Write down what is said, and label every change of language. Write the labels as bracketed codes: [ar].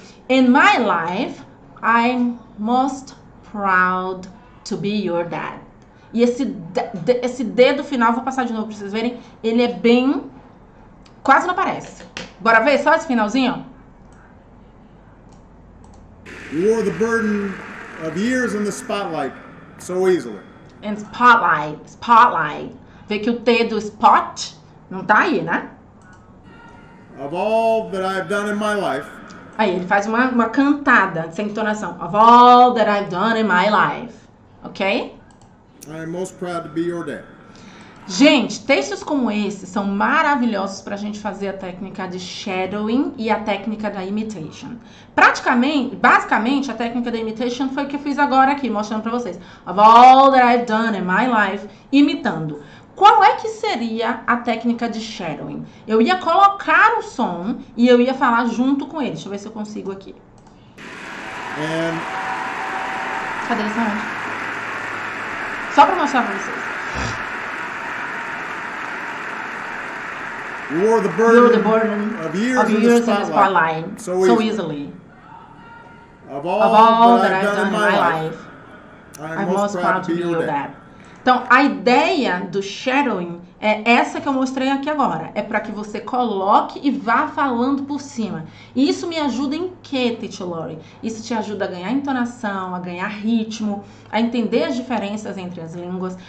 [en] In my life, I'm most proud to be your dad. [pt] E esse D do final, vou passar de novo pra vocês verem, ele é bem... quase não aparece. Bora ver só esse finalzinho? [en] You wore the burden of years in the spotlight so easily. In spotlight. [pt] Vê que o T do spot não tá aí, né? [en] Of all that I've done in my life, [pt] aí, ele faz uma cantada, sem entonação. [en] Of all that I've done in my life. Ok? I am most proud to be your dad. [pt] Gente, textos como esse são maravilhosos pra gente fazer a técnica de shadowing e a técnica da imitation. Basicamente, a técnica da imitation foi o que eu fiz agora aqui, mostrando pra vocês. [en] Of all that I've done in my life, [pt] imitando. Qual é que seria a técnica de shadowing? Eu ia colocar o som e eu ia falar junto com ele. Deixa eu ver se eu consigo aqui. [en] And... [pt] cadê esse momento? Só pra mostrar pra vocês. [en] You wore the burden, of years in the spotlight so easily. Of all that I've done in my life, I'm most proud to be your dad. [pt] Então, a ideia do shadowing é essa que eu mostrei aqui agora. É para que você coloque e vá falando por cima. E isso me ajuda em quê, Teacher Lori? Isso te ajuda a ganhar entonação, a ganhar ritmo, a entender as diferenças entre as línguas.